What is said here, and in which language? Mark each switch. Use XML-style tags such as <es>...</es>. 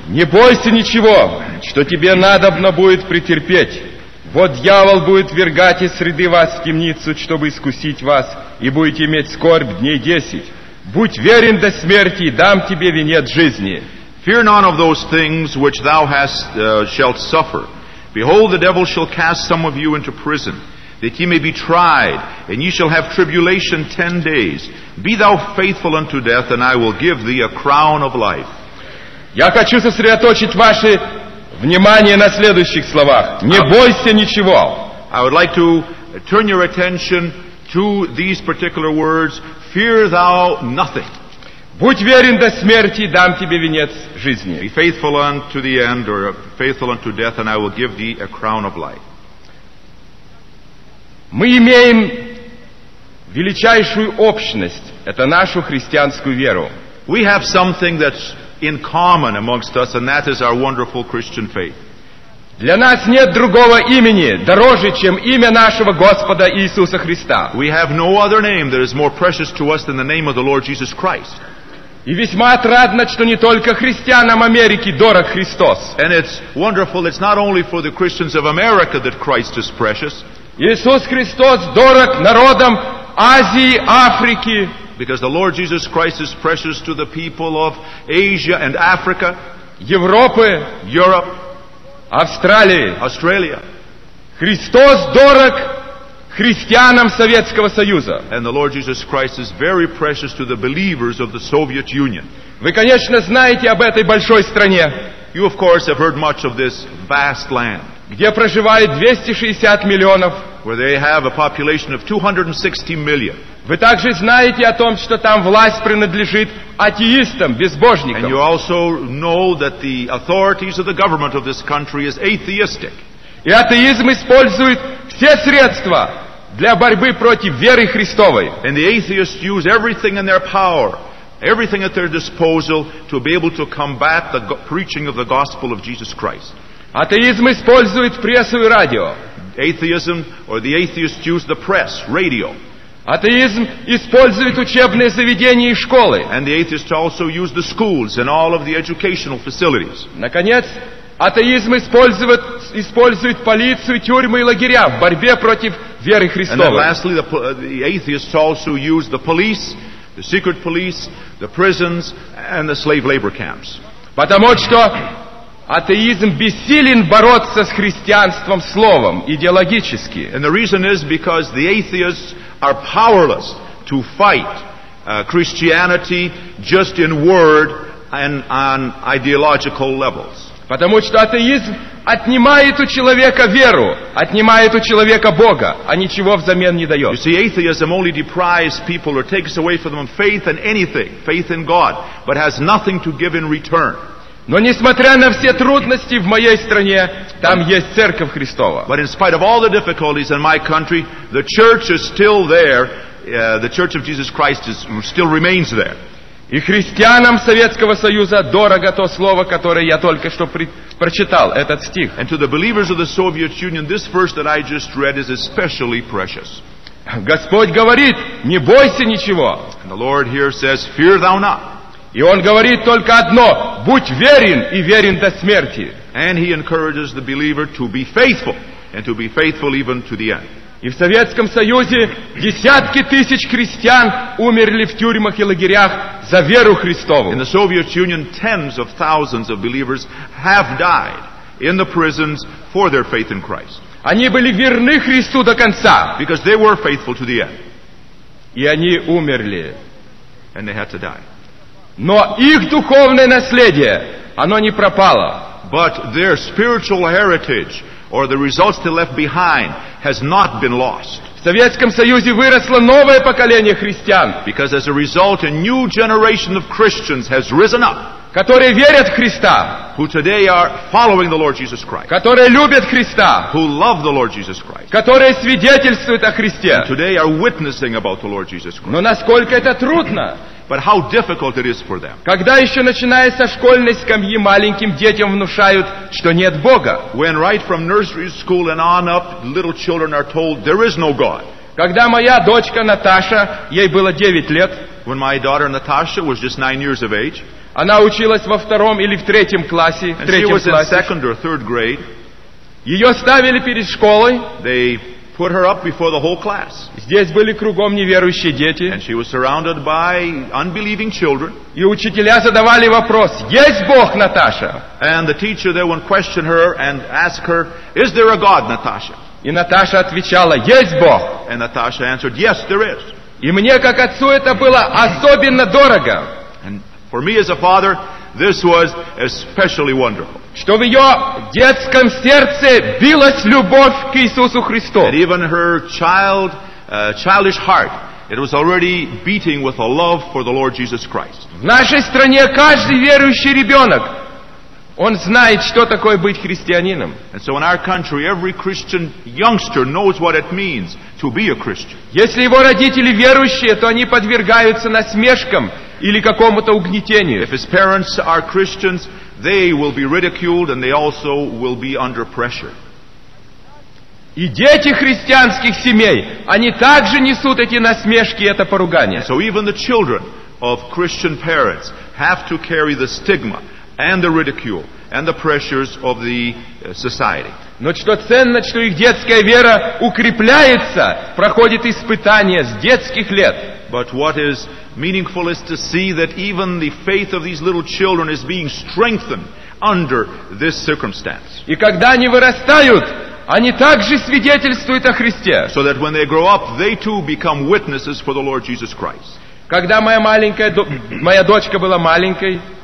<ru>Не бойся ничего, что тебе надобно будет претерпеть. Вот дьявол будет вергать из среды вас в темницу, чтобы искусить вас, и будете иметь скорбь дней 10. Будь верен до смерти, и дам тебе венец жизни.</ru> <en>Fear none of those things which thou hast shalt suffer. Behold, the devil shall cast some of you into prison, that ye may be tried, and ye shall have tribulation 10 days. Be thou faithful unto death, and I will give thee a crown of life.</en> <ru>Я хочу сосредоточить ваше внимание на следующих словах. Не бойся ничего.</ru> <en>I would like to turn your attention to these particular words. Fear thou nothing.</en> <ru>Будь верен до смерти, дам тебе венец жизни.</ru> <en>Be faithful unto the end, or faithful unto death, and I will give thee a crown of life.</en> <ru>Мы имеем величайшую общность, это нашу христианскую веру.</ru> <en>We have something that's in common amongst us, and that is our wonderful Christian faith.</en> <ru>Для нас нет другого имени дороже, чем имя нашего Господа Иисуса Христа.</ru> <en>We have no other name that is more precious to us than the name of the Lord Jesus Christ.</en> <ru>И весьма отрадно, что не только христианам Америки дорог Христос.</ru> <en>And it's wonderful, it's not only for the Christians of America that Christ is precious.</en> <ru>Иисус Христос дорог народам Азии, Африки.</ru> <en>Because the Lord Jesus Christ is precious to the people of Asia and Africa.</en> <ru>Европы.</ru> <en>Europe.</en> <ru>Австралии.</ru> <en>Australia.</en> <ru>Христос дорог христианам Советского Союза.</ru> <en>And the Lord Jesus Christ is very precious to the believers of the Soviet Union.</en> <ru>Вы, конечно, знаете об этой большой стране.</ru> <en>You, of course, have heard much of this vast land.</en> <ru>Где проживает 260 миллионов.</ru> <en>Where they have a population of 260 million.</en> <ru>Вы также знаете о том, что там власть принадлежит атеистам, безбожникам.</ru> <en>And you also know that the authorities of the government of this country is atheistic.</en> <ru>И атеизм использует все средства для борьбы против веры Христовой.</ru> <en>And the atheists use everything in their power, everything at their disposal to be able to combat the preaching of the gospel of Jesus Christ.</en> <ru>Атеизм использует прессу и радио.</ru> <en>Atheism or the atheists use the press, radio.</en> <ru>Атеизм использует учебные заведения и школы.</ru> <en>And the atheists also use the schools and all of the educational facilities.</en> <ru>Наконец, атеизм использует полицию, тюрьмы и лагеря в борьбе против веры Христовой.</ru> <en>And then lastly, the atheists also use the police, the secret police, the prisons, and the slave labor camps.</en> <ru>Потому что атеизм бессилен бороться с христианством словом, идеологически.</ru> <en>And the reason is because the atheists are powerless to fight Christianity just in word and on ideological levels.</en> <ru>Потому что атеизм отнимает у человека веру, отнимает у человека Бога, а ничего взамен не дает.</ru> <en>You see, atheism only deprives people or takes away from them faith in anything, faith in God, but has nothing to give in return.</en> <ru>Но несмотря на все трудности в моей стране, там есть Церковь Христова.</ru> <en>But in spite of all the difficulties in my country, the church is still there. The Church of Jesus Christ still remains there.</en> <ru>И христианам Советского Союза дорого то слово, которое я только что прочитал, этот стих.</ru> <en>And to the believers of the Soviet Union, this verse that I just read is especially precious.</en> <ru>Господь говорит: не бойся ничего.</ru> <en>And the Lord here says, fear thou not.</en> <ru>И Он говорит только одно: будь верен и верен до смерти.</ru> <en>And He encourages the believer to be faithful and to be faithful even to the end.</en> <ru>И в Советском Союзе десятки тысяч христиан умерли в тюрьмах и лагерях за веру Христову.</ru> <en>In the Soviet Union, tens of thousands of believers have died in the prisons for their faith in Christ.</en> <ru>Они были верны Христу до конца.</ru> <en>Because they were faithful to the end.</en> <ru>И они умерли.</ru> <en>And they had to die.</en> <ru>Но их духовное наследие, оно не пропало.</ru> <en>But their spiritual heritage, or the results they left behind, has not been lost.</en> <ru>В Советском Союзе выросло новое поколение христиан.</ru> <en>Because as a result, a new generation of Christians has risen up.</en> <ru>Которые верят в Христа.</ru> <en>Who today are following the Lord Jesus Christ.</en> <ru>Которые любят Христа.</ru> <en>Who love the Lord Jesus Christ.</en> <ru>Которые свидетельствуют о Христе.</ru> <en>And today are witnessing about the Lord Jesus Christ.</en> <ru>Но насколько это трудно.</ru> <en>But how difficult it is for them.</en> <ru>Когда еще начиная со школьной скамьи маленьким детям внушают, что нет Бога.</ru> <en>When right from nursery school and on up, little children are told there is no God.</en> <ru>Когда моя дочка Наташа, ей было 9 лет.</ru> <en>When my daughter Natasha was just 9 years of age.</en> <ru>Она училась во втором или в третьем классе.</ru> <en>And she was in second or third grade.</en> <ru>Ее ставили перед школой.</ru> <en>They put her up before the whole class.</en> <ru>Здесь были кругом неверующие дети.</ru> <en>And she was surrounded by unbelieving children.</en> <ru>И учителя задавали вопрос: есть Бог, Наташа?</ru> <en>And the teacher there would question her and ask her, is there a God, Natasha?</en> <ru>И Наташа отвечала: есть Бог.</ru> <en>And Natasha answered, yes, there is.</en> <ru>И мне как отцу это было особенно дорого.</ru> <en>And for me as a father, this was especially wonderful.</en> <ru>Что в ее детском сердце билась любовь к Иисусу Христу.</ru> <en>And even her childish heart, it was already beating with a love for the Lord Jesus Christ.</en> <ru>В нашей стране каждый верующий ребенок, он знает, что такое быть христианином.</ru> <en>And so in our country, every Christian youngster knows what it means to be a Christian.</en> <ru>Если его родители верующие, то они подвергаются насмешкам или какому-то угнетению.</ru> <en>If his parents are Christians, they will be ridiculed and they also will be under pressure.</en> <ru>И дети христианских семей, они также несут эти насмешки, это поругание.</ru> <en>So even the children of Christian parents have to carry the stigma and the ridicule and the pressures of the society.</en> <ru>Но что ценно, что их детская вера укрепляется, проходит испытания с детских лет.</ru> <en>But what is meaningful is to see that even the faith of these little children is being strengthened under this circumstance.</en> <ru>И когда они вырастают, они также свидетельствуют о Христе.</ru> <en>So that when they grow up, they too become witnesses for the Lord Jesus Christ.</en> <ru>Когда моя дочка была маленькой,</ru>